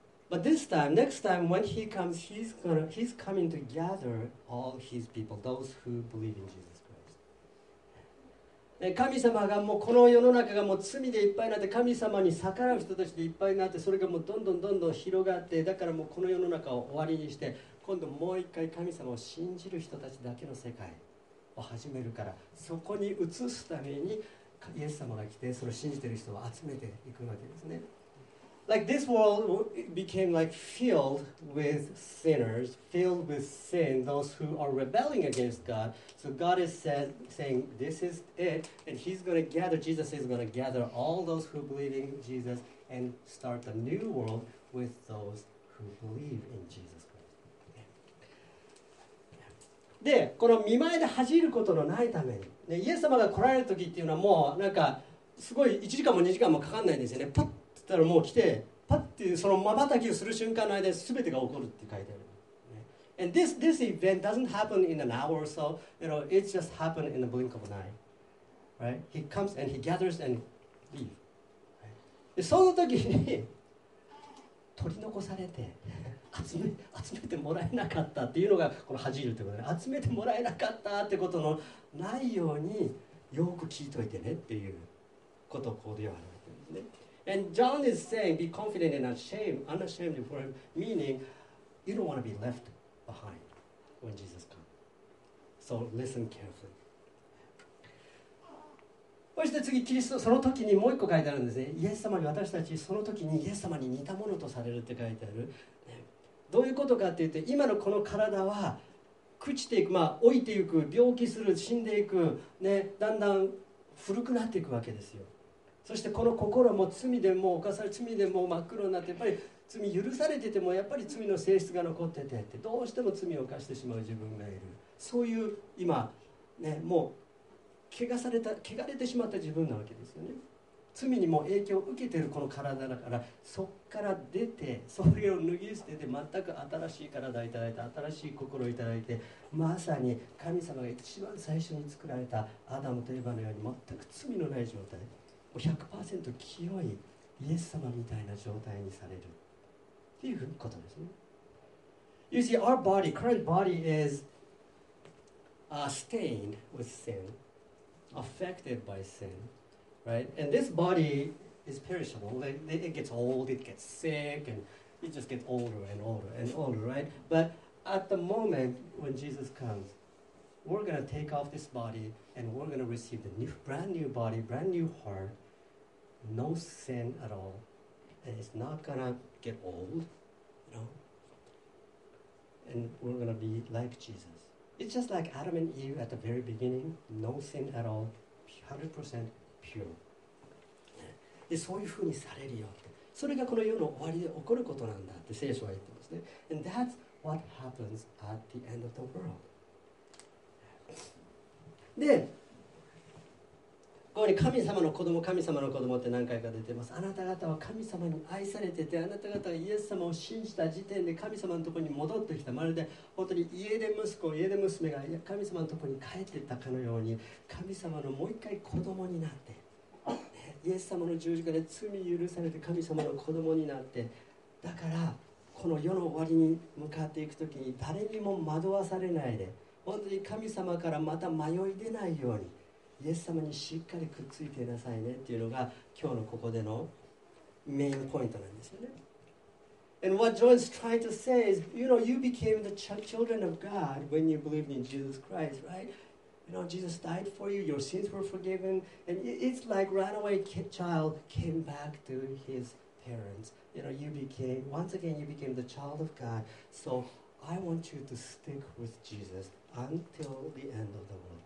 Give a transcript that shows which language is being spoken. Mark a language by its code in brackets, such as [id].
[en] But this time, next time when he comes, he's coming to gather all his people, those who believe in Jesus. [ja] 神様がもうこの世の中がもう罪でいっぱいになって、神様に逆らう人たちでいっぱいになって、それがもうどんどんどんどん広がって、だからもうこの世の中を終わりにして、今度もう一回神様を信じる人たちだけの世界を始めるから、そこに移すためにイエス様が来て、その信じている人を集めていくわけですね。 [en] Like this world became like filled with sinners, filled with sin, those who are rebelling against God. So God is saying this is it, and he's going to gather, Jesus is going to gather all those who believe in Jesus and start a new world with those who believe in Jesus. [ja] で、この見舞いで恥じることのないために、ね、イエス様が来られる時っていうのはもうなんかすごい1時間も2時間もかかんないんですよね。パッって言ったらもう来て、パッってその瞬きをする瞬間の間に全てが起こるって書いてある。 [en] ね、And this event doesn't happen in an hour or so. You know, it just happened in the blink of an eye. Right? He comes and he gathers and leaves. [ja] で、その時に取り残されて、集めてもらえなかったっていうのがこの恥じるってことで、集めてもらえなかったってことのないようによく聞いといてねっていうことをここで言われてるんですね。 [en] And John is saying be confident and unashamed for him, meaning you don't want to be left behind when Jesus comes. So listen carefully. [ja] そして次、キリストその時にもう一個書いてあるんですね。イエス様に、私たちその時にイエス様に似たものとされるって書いてある。どういうことかって言うと、今のこの体は朽ちていく、まあ老いていく、病気する、死んでいく、ね、だんだん古くなっていくわけですよ。そしてこの心も罪でもう犯され、罪でもう真っ黒になって、やっぱり罪許されててもやっぱり罪の性質が残ってて、ってどうしても罪を犯してしまう自分がいる。そういう今、ね、もう汚された、汚れてしまった自分なわけですよね。罪にも影響を受けているこの体だから、そこから出て、それを脱ぎ捨てて、全く新しい体をいただいて、新しい心をいただいて、まさに神様が一番最初に作られたアダムとエヴァのように全く罪のない状態、 100% 清いイエス様みたいな状態にされるっていうことですね。 [en] You see, our body, current body is stained with sin, affected by sinRight, and this body is perishable. Like, it gets old, it gets sick, and it just gets older and older and older, right? But at the moment when Jesus comes, we're going to take off this body and we're going to receive the new, brand new body, brand new heart, no sin at all. And it's not going to get old, you know? And we're going to be like Jesus. It's just like Adam and Eve at the very beginning, no sin at all, 100% [ja] で、そういう風にされるよって、それがこの世の終わりで起こることなんだって聖書は言ってますね。 [en] And that's what happens at the end of the world. [ja] で、ここに神様の子供、神様の子供って何回か出てます。あなた方は神様に愛されてて、あなた方はイエス様を信じた時点で神様のところに戻ってきた。まるで本当に家で息子、家で娘が神様のところに帰ってったかのように、神様のもう一回子供になって、イエス様の十字架で罪許されて神様の子供になって、だからこの世の終わりに向かっていくときに誰にも惑わされないで、本当に神様からまた迷い出ないように、イエス様にしっかりくっついてなさいねっていうのが今日のここでのメインポイントなんですよね。 [en] And what John is trying to say is, you know, you became the children of God when you believed in Jesus Christ, right? You know, Jesus died for you, your sins were forgiven, and it's like runaway child came back to his parents. You know, you became, once again, you became the child of God. So I want you to stick with Jesus until the end of the world.